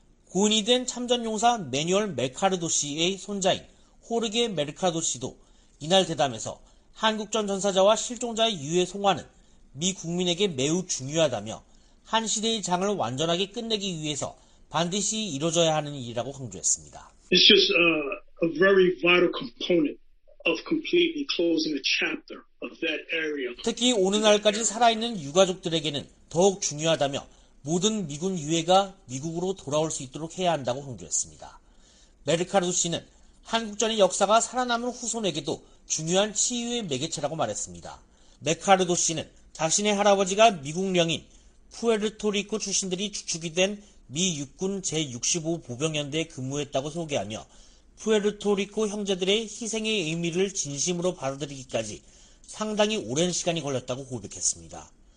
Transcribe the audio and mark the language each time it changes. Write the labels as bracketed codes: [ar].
[ko] 군인이 된 참전용사 매뉴얼 메카르도 씨의 손자인 호르게 메르카도 씨도 이날 대담에서 한국전 전사자와 실종자의 유해 송환은 미 국민에게 매우 중요하다며 한 시대의 장을 완전하게 끝내기 위해서 반드시 이루어져야 하는 일이라고 강조했습니다. [en] It's just a very vital component of completely closing a chapter of that area. [ko] 특히 오늘날까지 살아있는 유가족들에게는 더욱 중요하다며 모든 미군 유해가 미국으로 돌아올 수 있도록 해야 한다고 강조했습니다. 메르카르도 씨는 한국전의 역사가 살아남은 후손에게도 중요한 치유의 매개체라고 말했습니다. 맥카르도 씨는 자신의 할아버지가 미국 령인 푸에르토리코 출신들이 주축이 된 미 육군 제65 보병연대에 근무했다고 소개하며 푸에르토리코 형제들의 희생의 의미를 진심으로 받아들이기까지 상당히 오랜 시간이 걸렸다고 고백했습니다.